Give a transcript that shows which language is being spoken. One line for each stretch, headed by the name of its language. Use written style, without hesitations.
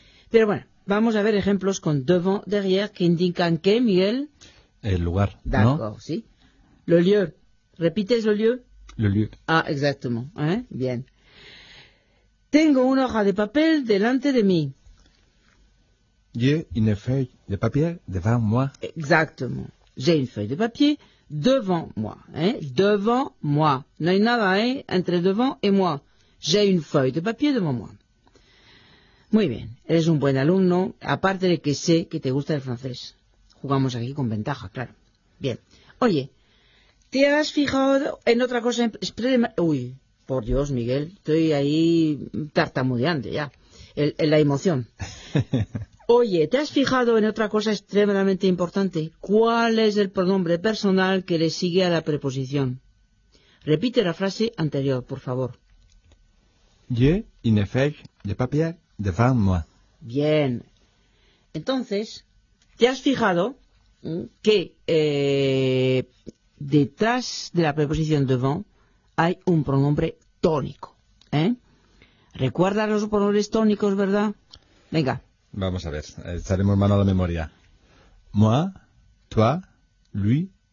Spanish: Pero bueno, vamos a ver ejemplos con devant, derrière, que indican qué, Miguel. El lugar.
French: D'accord,
Spanish: ¿no? Sí.
French: Le lieu.
Spanish: ¿Repites le lieu?
French: Le lieu. Ah, exactement. Bien.
Spanish: Tengo una hoja de papel delante de mí.
French: J'ai une feuille de papier devant moi. Exactement. J'ai une feuille de papier. Devant moi, devant moi.
Spanish: No hay nada,
French: entre devant et moi. J'ai une feuille de papier devant moi.
Spanish: Muy bien, eres un buen alumno, aparte de que sé que te gusta el francés. Jugamos aquí con ventaja, claro. Bien, oye, ¿te has fijado en otra cosa? Uy, por Dios, Miguel, estoy ahí tartamudeando ya, en la emoción. Oye, ¿te has fijado en otra cosa extremadamente importante? ¿Cuál es el pronombre personal que le sigue a la preposición? Repite la frase anterior, por favor.
French: J'ai une feuille de papier devant moi.
Spanish: Bien. Entonces, ¿te has fijado que detrás de la preposición devant hay un pronombre tónico? ¿Recuerdas los pronombres tónicos, verdad? Venga. Vamos a ver, echaremos mano a la memoria. Moi, toi, lui,